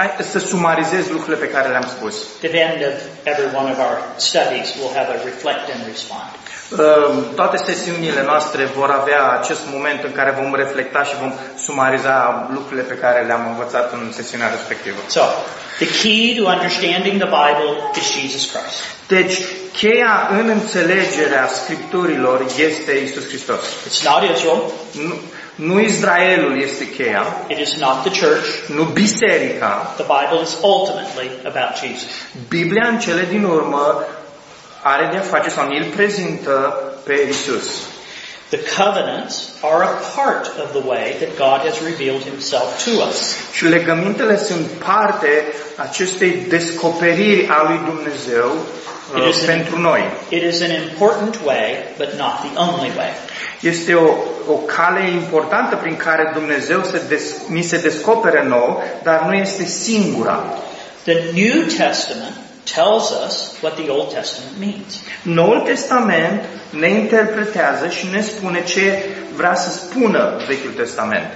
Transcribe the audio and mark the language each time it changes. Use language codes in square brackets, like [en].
[ro] Să sumarizez lucrurile pe care le-am spus. [en] The end of every one of our studies will have a reflect and respond. [ro] Toate sesiunile noastre vor avea acest moment în care vom reflecta și vom sumariza lucrurile pe care le-am învățat în sesiunea respectivă. [en] So, the key to understanding the Bible is Jesus Christ. [ro] Deci, cheia în înțelegerea Scripturilor este Iisus Hristos. [en] It's not Israel. [ro] Nu Israelul este cheia. [en] It is not the church. [ro] Nu biserica. [en] The Bible is ultimately about Jesus. [ro] Biblia în cele din urmă are de-a face sau ne-l prezintă pe Iisus. [en] The covenants are a part of the way that God has revealed himself to us. [ro] Și legămintele sunt parte acestei descoperiri a lui Dumnezeu pentru noi. [en] It is an important way, but not the only way. [ro] Este o cale importantă prin care Dumnezeu ni se descoperă nou, dar nu este singura. [en] The New Testament tells us what the Old Testament means. [ro] Noul Testament ne interpretează și ne spune ce vrea să spună Vechiul Testament.